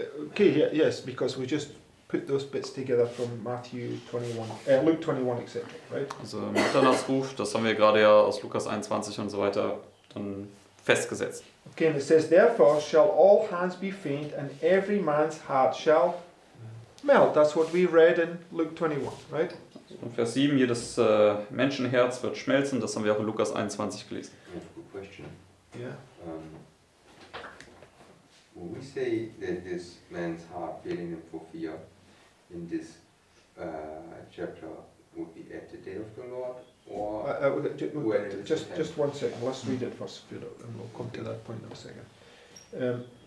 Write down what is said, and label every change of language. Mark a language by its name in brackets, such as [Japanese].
[English] Okay, yeah, yes, because we just put those bits together from Luke 21, etc., right? [German] Also Mitternachtsruf, das haben wir gerade ja aus Lukas 21 und so weiter dann festgesetzt. [English] Okay, and it says, therefore shall all hands be faint, and every man's heart shall melt. That's what we read in Luke 21, right? [German] Und Vers 7, jedes Menschenherz wird schmelzen, das haben wir auch in Lukas 21 gelesen. [English] Good question. Yeah. When we say that this man's heart failing him for fear in this chapter would be at the day of the Lord, or just one second, let's read it first, and we'll come to that point in a second.